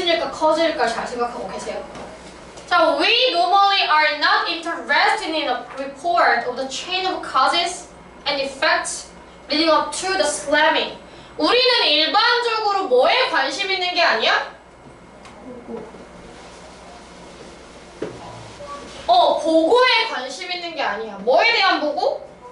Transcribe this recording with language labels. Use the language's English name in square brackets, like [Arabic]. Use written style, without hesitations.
[Korean] 커질까 잘 생각하고 계세요. [English] 자, we normally are not interested in a report of the chain of causes and effects leading up to the slamming. [Korean] 우리는 일반적으로 뭐에 관심 있는 게 아니야? 보고에 관심 있는 게 아니야. 뭐에 대한 보고?